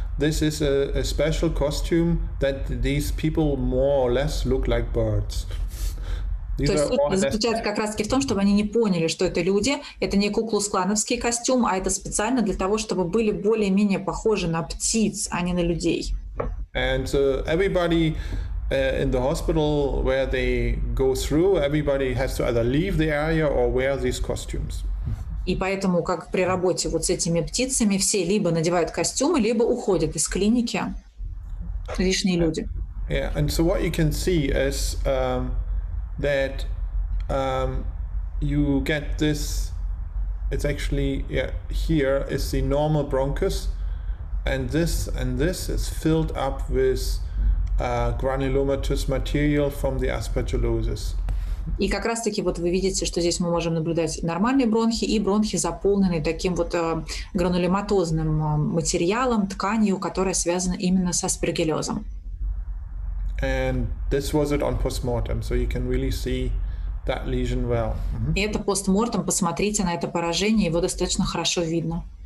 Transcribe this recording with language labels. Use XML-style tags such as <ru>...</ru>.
<en>This is a special costume that these people more or less look like birds. These</en> <ru>То есть суть заключается как раз-таки в том, чтобы они не поняли, что это люди. Это не куклусклановский костюм, а это специально для того, чтобы были более-менее похожи на птиц, а не на людей.</ru> <en>And so everybody in the hospital where they go through, everybody has to either leave the area or wear these costumes.</en> <ru>И поэтому, как при работе вот с этими птицами, все либо надевают костюмы, либо уходят из клиники. Лишние люди.</ru> <en>Yeah, and so what you can see is that you get this, it's actually here is the normal bronchus, and this is filled up with granulomatous material from the aspergillosis.</en> <ru>И как раз-таки вот вы видите, что здесь мы можем наблюдать нормальные бронхи и бронхи, заполненные таким вот гранулематозным материалом, тканью, которая связана именно с аспергиллезом.</ru> <en>And this was it on postmortem, so you can really see that lesion well. Mm-hmm.</en> <ru>И это постмортем, посмотрите на это поражение, его достаточно хорошо видно.</ru>